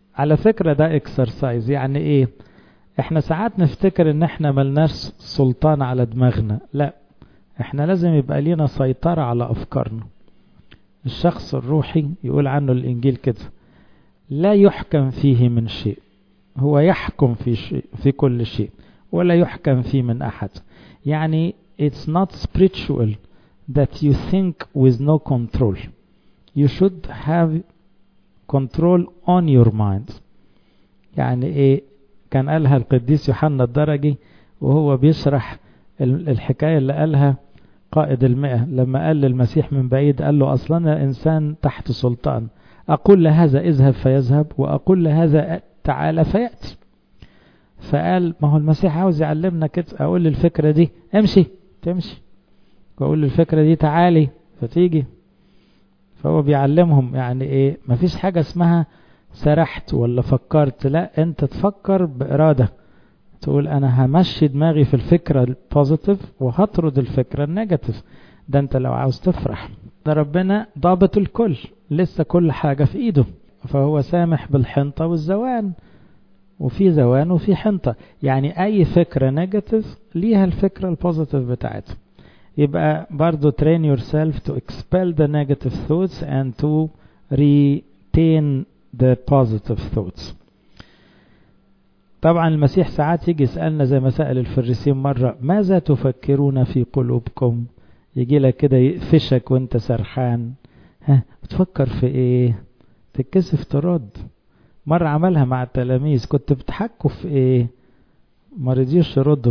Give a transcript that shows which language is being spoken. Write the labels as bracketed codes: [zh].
[ar] على فكرة ده exercise. يعني ايه؟ احنا ساعات نفتكر ان احنا ملناش سلطان على دماغنا. لا احنا لازم يبقى لينا سيطرة على افكارنا. الشخص الروحي يقول عنه الانجيل كده لا يحكم فيه من شيء, هو يحكم في شيء في كل شيء ولا يحكم فيه من احد. يعني [en] it's not spiritual that you think with no control. You should have control on your mind. [ar] يعني ايه؟ كان قالها القديس يوحنا الدرجي وهو بيشرح الحكاية اللي قالها قائد المئة لما قال للمسيح من بعيد قال له أصلا إنسان تحت سلطان, أقول لهذا اذهب فيذهب وأقول لهذا تعال فيأتي. فقال ما هو المسيح عاوز يعلمنا كده. أقول الفكرة دي امشي تمشي وأقول الفكرة دي تعالي فتيجي. فهو بيعلمهم يعني إيه مفيش حاجة اسمها سرحت ولا فكرت. لا انت تفكر بإرادة تقول انا همشي دماغي في الفكرة البوزيتيف وهطرد الفكرة النيجاتيف. ده انت لو عاوز تفرح. ده ربنا ضابط الكل لسه كل حاجة في ايده, فهو سامح بالحنطة والزوان. وفي زوان وفي حنطة. يعني اي فكرة نيجاتيف ليها الفكرة البوزيتيف بتاعتها. يبقى برضو [en] train yourself to expel the negative thoughts and to retain the positive thoughts. [ar] طبعا المسيح ساعات يجي يسألنا زي ما سأل الفريسيين مرة ماذا تفكرون في قلوبكم. يجي لك كده يقفشك وانت سرحان. ها بتفكر في ايه؟ تتكسف ترد. مرة عملها مع التلاميذ كنت بتحكوا في ايه؟ ما رضيوش يردوا.